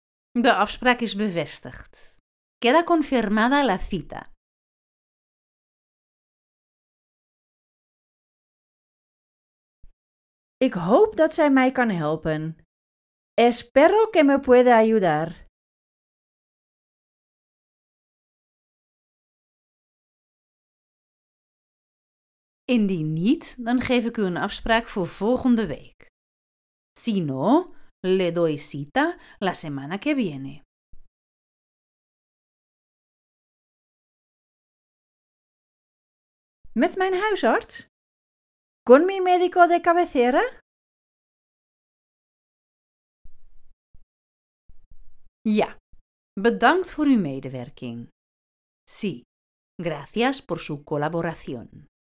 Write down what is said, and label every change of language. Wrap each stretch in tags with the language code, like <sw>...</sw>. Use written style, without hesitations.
<nl>De afspraak is bevestigd.</nl> <es>Queda confirmada la cita.</es> <nl>Ik hoop dat zij mij kan helpen.</nl> <es>Espero que me pueda ayudar.</es> <nl>Indien niet, dan geef ik u een afspraak voor volgende week.</nl> <es>Si no, le doy cita la semana que viene.</es> <nl>Met mijn huisarts?</nl> <es>Con mi médico de cabecera?</es> <nl>Ja, bedankt voor uw medewerking.</nl> <es>Sí, gracias por su colaboración.</es>